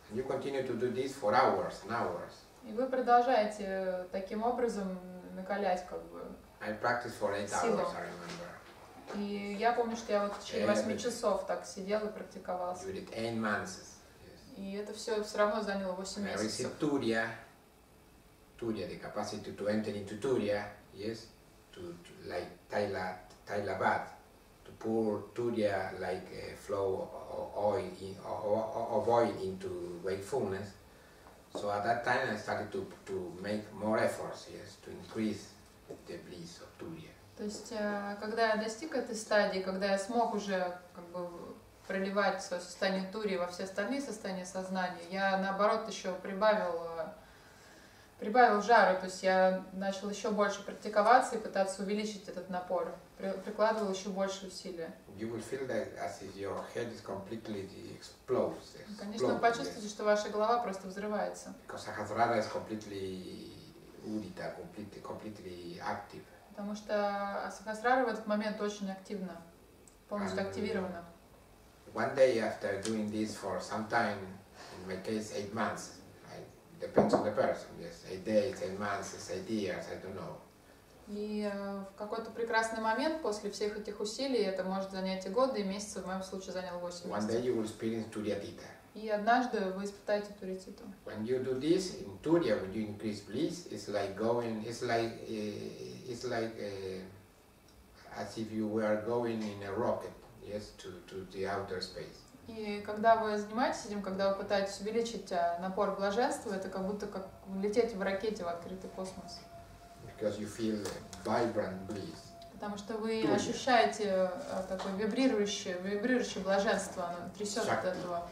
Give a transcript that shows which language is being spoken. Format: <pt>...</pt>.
<en>And you continue to do this for hours and hours.</en> <ru>И вы продолжаете таким образом накалять как бы.</ru> <en>I practiced for 8 hours, I remember.</en> <ru>И я помню, что я вот в течение 8 часов так сидел и практиковался.</ru> <en>You did 8 months. Yes.</en> <ru>И это все равно заняло 8 месяцев.</ru> <en>I received Turiya, the capacity to enter into Turiya, yes, to like Tailabad, to pour Turiya like a flow of oil into wakefulness. So at that time I started to make more efforts, yes, to increase. The bliss of Turiya.</en> <ru>То есть, когда я достиг этой стадии, когда я смог уже как бы проливать свое состояние Турии во все остальные состояния сознания, я наоборот еще прибавил жару, то есть я начал еще больше практиковаться и пытаться увеличить этот напор, прикладывал еще больше усилия.</ru> <en>You will feel that as if your head is completely explodes.</en> <ru>Конечно, вы почувствуете, yes, что ваша голова просто взрывается.</ru> <en>Because Sahasrara is completely Udita, completely active.</en> <ru>Потому что Асахасрара в этот момент очень активна, полностью активирована.</ru> <en>One day after doing this for some time, in my case 8 months, depends on the person, yes, 8 days, 8 months, 8 years, I don't know.</en> <ru>И в какой-то прекрасный момент после всех этих усилий, это может занять и годы, и месяцы, в моем случае занял 8 месяцев. И однажды вы испытаете туриатиту.</ru> <en>When you do this in Turia, when you increase bliss, it's like as if you were going in a rocket, yes, to the outer space.</en> <ru>И когда вы занимаетесь этим, когда вы пытаетесь увеличить напор блаженства, это как будто как лететь в ракете в открытый космос.</ru> <en>Because you feel vibrant bliss.</en> <ru>Потому что вы ощущаете такое вибрирующее блаженство, оно трясет от этого.</ru>